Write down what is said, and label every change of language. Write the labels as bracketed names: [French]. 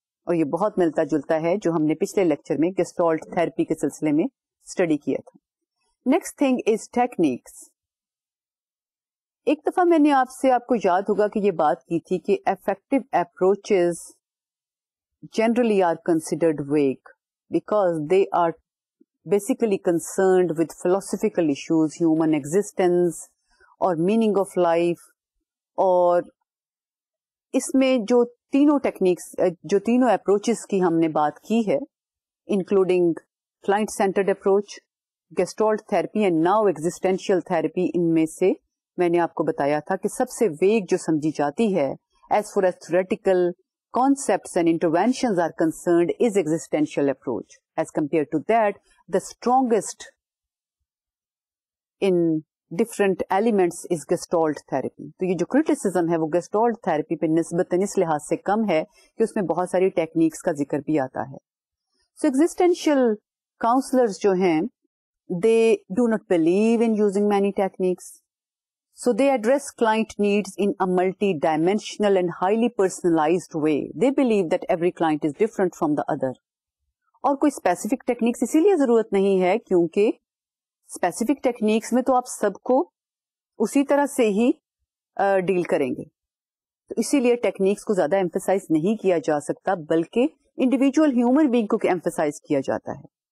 [Urdu] اور یہ بہت ملتا جلتا ہے جو ہم نے پچھلے lecture میں gestalt therapy کے سلسلے میں اسٹڈی کیا تھا. [English] Next thing is techniques. [Urdu] ایک دفعہ میں نے آپ سے, آپ کو یاد ہوگا کہ یہ بات کی تھی کہ [English] Affective approaches generally are considered vague, because they are basically concerned with philosophical issues, human existence or meaning of life. [Urdu] اور اس میں جو تینوں ٹیکنیکس جو تینوں اپروچز کی ہم نے بات کی ہے [English] including client centered approach gestalt therapy and now existential therapy [Urdu] ان میں سے میں نے آپ کو بتایا تھا کہ سب سے ویگ جو سمجھی جاتی ہے [English] As far as theoretical concepts and interventions are concerned is existential approach as compare to that the strongest in different elements is gestalt therapy. [Urdu] تو یہ جو criticism ہے وہ gestalt therapy پہ نسبتاً اس لحاظ سے کم ہے کہ اس میں بہت ساری ٹیکنیکس کا ذکر بھی آتا ہے. [English] So existential counselors جو ہیں they do not believe in using many techniques. So they address client needs in a multi-dimensional and highly personalized way. They believe that every client is different from the other. [Urdu] اور کوئی specific techniques اسی لیے ضرورت نہیں ہے کیونکہ specific techniques میں تو آپ سب کو اسی طرح سے ہی ڈیل کریں گے تو اسی لیے ٹیکنیکس کو زیادہ ایمفیسائز نہیں کیا جا سکتا بلکہ انڈیویجل ہیومن بینگ کو ایمفیسائز کیا جاتا ہے.